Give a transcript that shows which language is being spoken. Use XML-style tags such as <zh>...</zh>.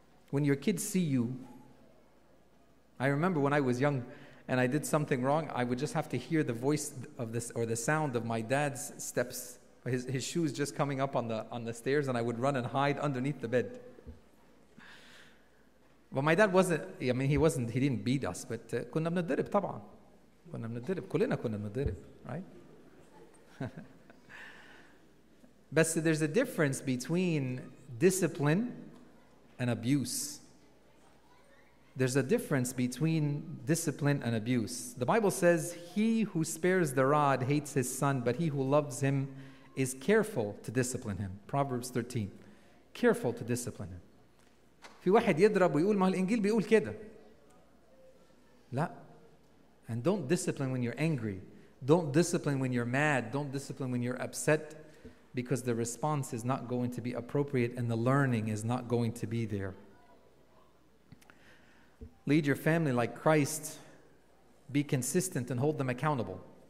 <en>When your kids see you, I remember when I was young and I did something wrong, I would just have to hear the voice of this or the sound of my dad's steps, his shoes just coming up on the stairs, and I would run and hide underneath the bed. But my dad wasn't, I mean, he didn't beat us, but</en> <ar>كنا بنضرب طبعا. كنا بنضرب, كلنا كنا بنضرب, right?</ar> <en>But there's a difference between discipline and abuse. There's a difference between discipline and abuse. The Bible says, he who spares the rod hates his son, but he who loves him is careful to discipline him. Proverbs 13. Careful to discipline him.</en> <ar>في واحد يضرب ويقول ما الإنجيل بيقول كده. لا.</ar> <en>And don't discipline when you're angry. Don't discipline when you're mad. Don't discipline when you're upset. Because the response is not going to be appropriate and the learning is not going to be there. Lead your family like Christ. Be consistent and hold them accountable.</en>